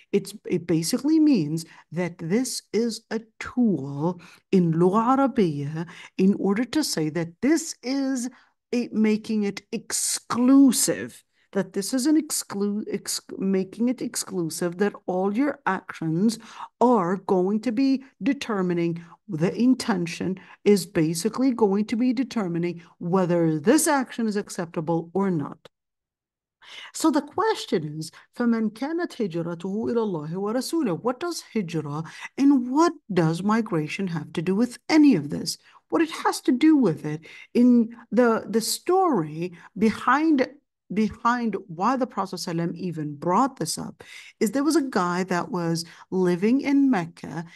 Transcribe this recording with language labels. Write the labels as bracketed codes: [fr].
[en] It basically means that this is a tool in lugha arabiya in order to say that this is making it exclusive. That this is making it exclusive, that all your actions are going to be determining, the intention is basically going to be determining whether this action is acceptable or not. So the question is, [ar] فَمَنْ كَانَتْ هِجْرَتُهُ إِلَى اللَّهِ وَرَسُولَهُ? [en] What does hijra and what does migration have to do with any of this? What it has to do with it in the story behind why the Prophet ﷺ even brought this up is there was a guy that was living in Mecca.